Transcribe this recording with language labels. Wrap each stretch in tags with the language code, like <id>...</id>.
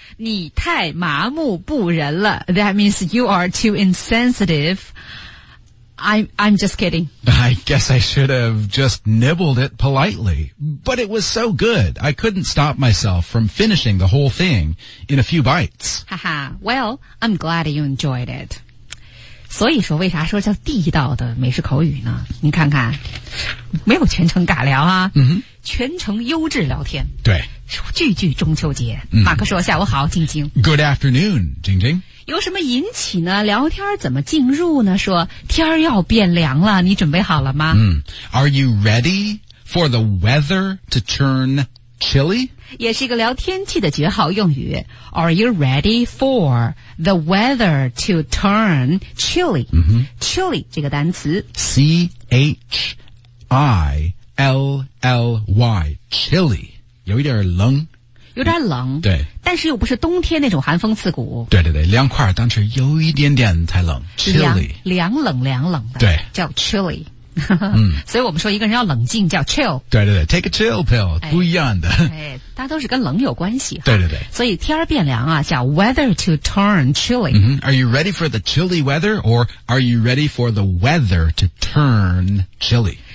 <zh>你太麻木不仁了。</zh> <en>That means you are too insensitive. I'm just kidding. I guess I should have just nibbled it politely. But it was so good, I couldn't stop myself from finishing the whole thing in a few bites. Haha, well, I'm glad you enjoyed it.</en> <zh>所以说为啥说叫地道的美食口语呢？你看看，没有全程尬聊啊、 mm-hmm. 全程优质聊天。对。句句中秋节，马克说：“下午好，晶晶。”</zh> <en>Good afternoon, 晶晶。</en> <zh>有什么引起呢？聊天怎么进入呢？说天要变凉了，你准备好了吗？</zh> <en>嗯 ，Are you ready for the weather to turn chilly？</en> <zh>也是一个聊天气的绝好用语。</zh> <en>Are you ready for the weather to turn chilly？嗯哼</en> <zh>，chilly 这个单词，C H I L L Y， chilly。 有一点冷，有点冷，对，但是又不是冬天那种寒风刺骨。对对对，凉快，但是有一点点太冷 ，chilly，凉冷凉冷的，对，叫 chilly。嗯，所以我们说一个人要冷静叫 chill。对对对 ，</zh> <en>take a chill pill，、</en> <zh>哎、不一样的。哎，大家都是跟冷有关系。对对对，所以天变凉啊，叫</zh> <en>weather to turn chilly。 Mm-hmm. Are you ready for the chilly weather, or are you ready for the weather to turn chilly?</en>